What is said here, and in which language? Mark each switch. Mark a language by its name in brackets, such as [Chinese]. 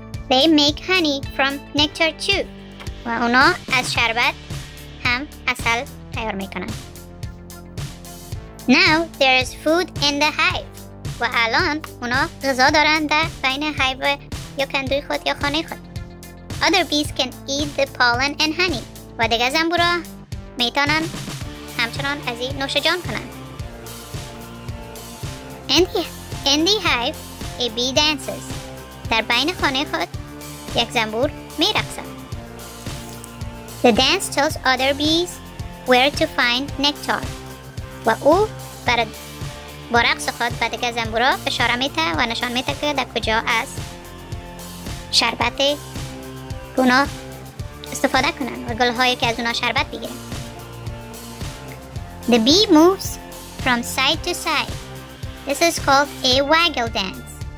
[English] They make honey from nectar too. [Persian] و اونا از شربت هم عسل تیار میکنن. [English] Now there is food in the hive. [Persian] و الان اونا غذا دارن در بین هایو یا کندوی خود یا خانه خود. [English] Other bees can eat the pollen and honey. [Persian] و دیگه زنبورا میتونن همچنان از این نوشجان کنن. [English] In the hive, a bee dances. [Persian] در بین خانه خود یک زنبور می رقصه. [English] The dance tells other bees where to find nectar. [Persian] و او با رقص خود به دیگه زنبورا اشاره می ده و نشان می ده که در کجا از شربت اونا استفاده کنن و گلهای که از اونا شربت بگیرن. [English] The bee moves from side to side. This is called a waggle dance.